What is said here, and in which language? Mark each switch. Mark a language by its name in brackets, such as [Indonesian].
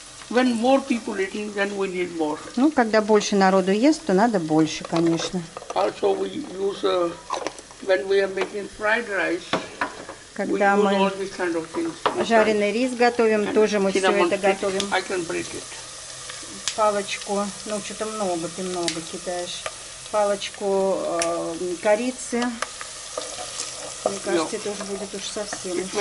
[English] When more people eating, then we need more. [Russian] Ну, когда больше народу ест, то надо больше, конечно. [English] Also we use when we are making fried rice. [Russian] Когда мы жареный рис готовим, тоже мы все это готовим. Палочку, ну что-то много, ты много кидаешь. Палочку корицы. Мне кажется, это уже будет уж совсем.